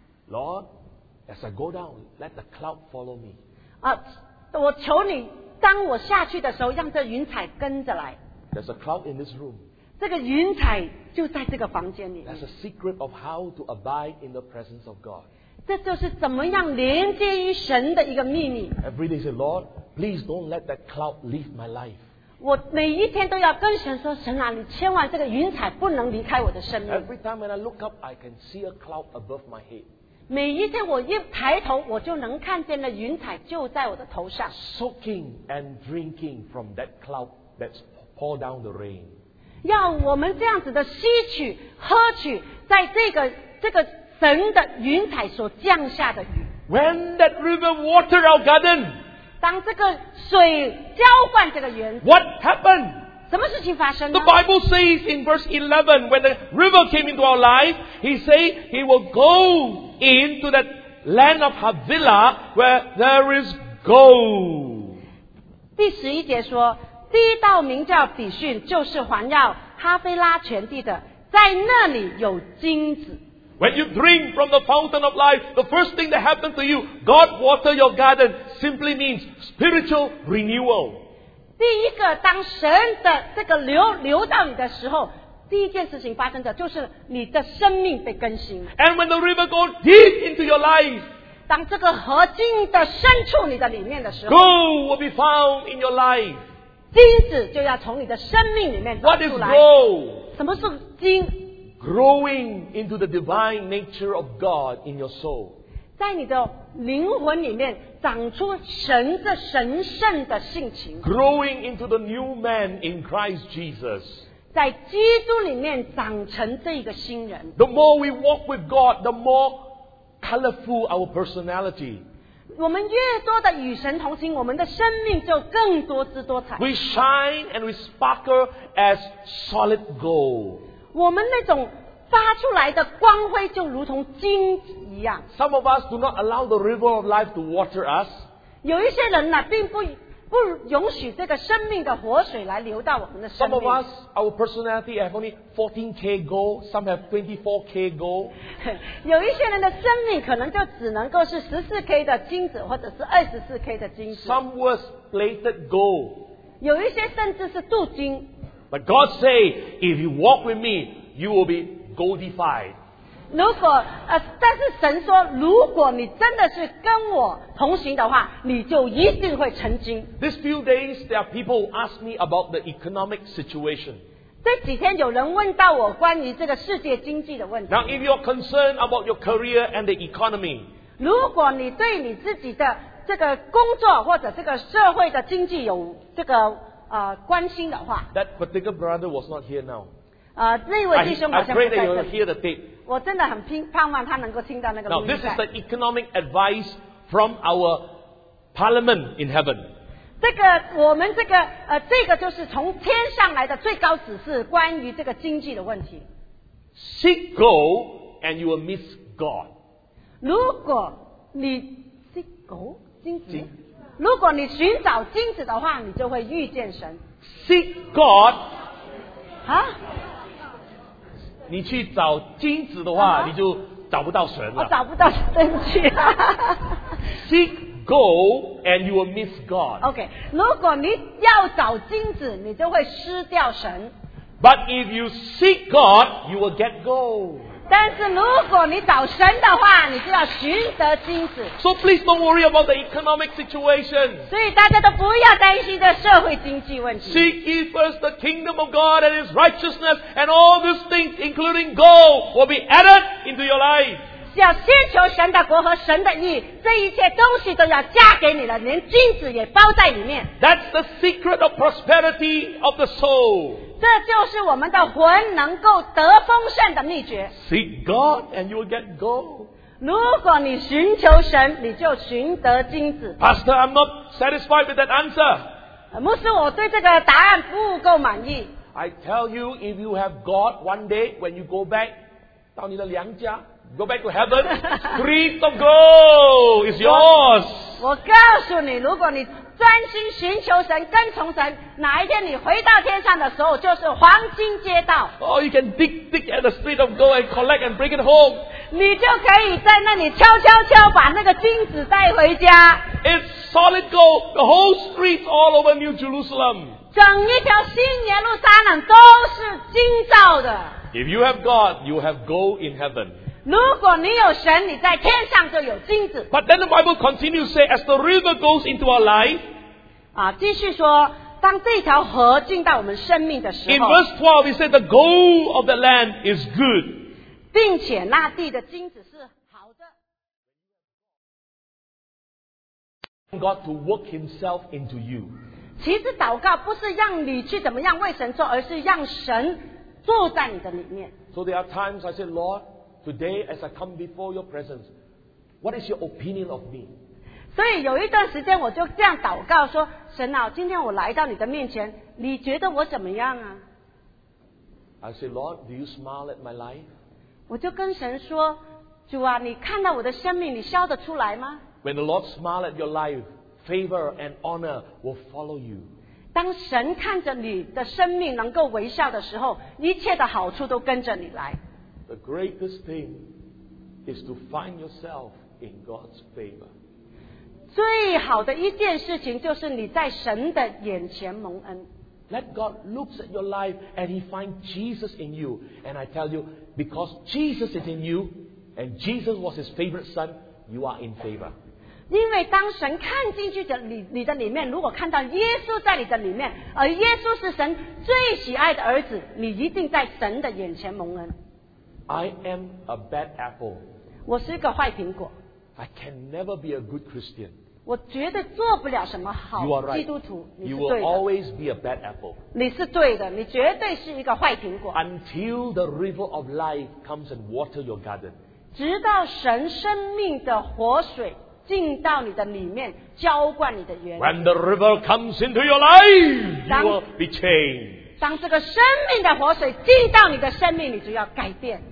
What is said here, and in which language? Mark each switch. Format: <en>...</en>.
<en>Lord, as I go down, let the cloud follow me.</en> <zh>我求你, 当我下去的时候,让这云彩跟着来。</zh> <en>There's a cloud in this room.</en> <zh>这个云彩就在这个房间里面。</zh> <en>That's a secret of how to abide in the presence of God.</en> <zh>这就是怎么样连接于神的一个秘密。</zh> <en>Every day say, Lord, please don't let that cloud leave my life.</en> <zh>我每一天都要跟神说,神啊,你千万这个云彩不能离开我的生命。</zh> <en>Every time when I look up, I can see a cloud above my head.</en> <zh>每一天我一抬头,我就能看见了云彩就在我的头上。</zh> <en>Soaking and drinking from that cloud that's poured down the rain.</en> <zh>要我们这样子的吸取喝取在这个神的云彩所降下的雨。</zh> <en>When that river water our garden,</en> <zh>当这个水浇灌这个园子，</zh> <en>What happened?</en> <zh>什么事情发生呢?</zh> <en>The Bible says in verse 11, when the river came into our life, he said he will go into that land of Havilah where there is gold.</en> <zh>第十一节说，第一道名叫比逊，就是环绕哈菲拉全地的，在那里有金子。</zh> <en>When you drink from the fountain of life, the first thing that happened to you, God water your garden, simply means spiritual renewal.</en> <zh>第一个当神的这个流到你的时候，第一件事情发生的就是你的生命被更新。</zh> <en>And when the river goes deep into your life,</en> <zh>当这个河进的深处你的里面的时候，</zh> <en>gold will be found in your life,</en> <zh>金子就要从你的生命里面走出来。</zh> <en>What is gold?</en> <zh>什么是金？</zh> <en>Growing into the divine nature of God in your soul,</en> <zh>在你的灵魂里面长出神的神圣的性情。</zh> <en>Growing into the new man in Christ Jesus,</en> <zh>在基督里面长成这一个新人。</zh> <en>The more we walk with God, the more colorful our personality.</en> <zh>我们越多的与神同行，我们的生命就更多姿多彩。</zh> <en>We shine and we sparkle as solid gold.</en> <zh>我们那种发出来的光辉就如同金子一样。</zh> <en>Some of us do not allow the river of life to water us.</en> <zh>有一些人呢，并不允许这个生命的活水来流到我们的生命。</zh> <en>Some of us, our personality have only 14K goal, some have 24K goal.</en> <zh>有一些人的生命可能就只能够是 14K 的金子，或者是 24K 的金子。</zh> <en>Some was plated goal.</en> <zh>有一些甚至是镀金。</zh> <en>But God say, if you walk with me, you will beGoldified.</en> <zh>如果但是神说，如果你真的是跟我同行的话，你就一定会成金。</zh> <en>These few days, there are people who ask me about the economic situation.</en> <zh>这几天有人问到我关于这个世界经济的问题。</zh> <en>Now, if you're concerned about your career and the economy,</en> <zh>如果你对你自己的这个工作或者这个社会的经济有这个关心的话</zh> <en>，That particular brother was not here now.</en> <zh>那位弟兄好像不在这里。我真的很盼望他能够听到那个录音带。</zh> <en>Now, this is the economic advice from our parliament in heaven.</en> <zh>这个我们这个这个就是从天上来的最高指示，关于这个经济的问题。</zh> <en>Seek gold and you will miss God.</en> <zh>如果你</zh> <en>seek gold</en> <zh>金子，如果你寻找金子的话，你就会遇见神。</zh> <en>Seek God. 啊？</en> <zh>你去找金子的话、你就找不到神了。我找不到神去。</zh> <en>Seek gold and you will miss God.</en> <zh>Okay, 如果你要找金子，你就会失掉神。</zh> <en>But if you seek God, you will get gold.</en> <zh>但是如果你找神的话，你就要寻得金子。</zh> <en>So please don't worry about the economic situation.</en> <zh>所以大家都不要担心这社会经济问题。</zh> <en>Seek ye first the kingdom of God and His righteousness, and all these things, including gold, will be added into your life.</en> <zh>要先求神的国和神的义，这一切东西都要加给你了，连金子也包在里面。</zh> <en>That's the secret of prosperity of the soul.</en> <zh>这就是我们的魂能够得丰盛的秘诀。</zh> <en>Seek God and you will get gold.</en> <zh>如果你寻求神，你就寻得金子。</zh> <en>Pastor, I'm not satisfied with that answer.</en> <zh>牧师，我对这个答案不够满意。</zh> <en>I tell you, if you have God, one day when you go back</en> <zh>到你的娘家，</zh> <en>go back to heaven, streets of gold is yours.</en> <zh>我告诉你，如果你专心寻求神，跟从神，哪一天你回到天上的时候，就是黄金街道。</zh> <en>Oh, you can dig at the street of gold and collect and bring it home.</en> <zh>你就可以在那里敲敲敲，把那个金子带回家。</zh> <en>It's solid gold. The whole streets all over New Jerusalem.</en> <zh>整一条新耶路撒冷都是金造的。</zh> <en>If you have God, you have gold in heaven.</en> <zh>如果你有神，你在天上就有金子。</zh> <en>But then the Bible continues to say, as the river goes into our life,</en> <zh>继续说，当这条河进到我们生命的时候。</zh> <en>In verse 12, it says the gold of the land is good.</en> <zh>并且那地的金子是好的。</zh> <en>God to work Himself into you.</en> <zh>其实祷告不是让你去怎么样为神做，而是让神坐在你的里面。</zh> <en>So there are times I say, Lord, today as I come before your presence, what is your opinion of me?</en> <zh>所以有一段时间我就这样祷告说，神啊，今天我来到你的面前，你觉得我怎么样啊？</zh> <en>I say, Lord, do you smile at my life?</en> <zh>我就跟神说，主啊，你看到我的生命，你笑得出来吗？</zh> <en>When the Lord smiles at your life, favor and honor will follow you.</en> <zh>当神看着你的生命能够微笑的时候，一切的好处都跟着你来。</zh> <en>The greatest thing is to find yourself in God's favor.</en> <zh>最好的一件事情就是你在神的眼前蒙恩。</zh> <en>Let God look at your life and He finds Jesus in you. And I tell you, because Jesus is in you, and Jesus was His favorite son, you are in favor.</en> <zh>因为当神看进去的 你的里面，如果看到耶稣在你的里面，而耶稣是神最喜爱的儿子，你一定在神的眼前蒙恩。</zh> <en>I am a bad apple.</en> <zh>我是一个坏苹果。</zh> <en>I can never be a good Christian.</en> <zh>我绝对做不了什么好基督徒。</zh> <en>You are right. You will always be a bad apple.</en> <zh>你是对的，你绝对是一个坏苹果。</zh> <en>Until the river of life comes and water your garden.</en> <zh>直到神生命的活水进到你的里面，浇灌你的园。</zh> <en>When the river comes into your life, you will be changed.</en> <zh>当这个生命的活水进到你的生命，你就要改变。</zh>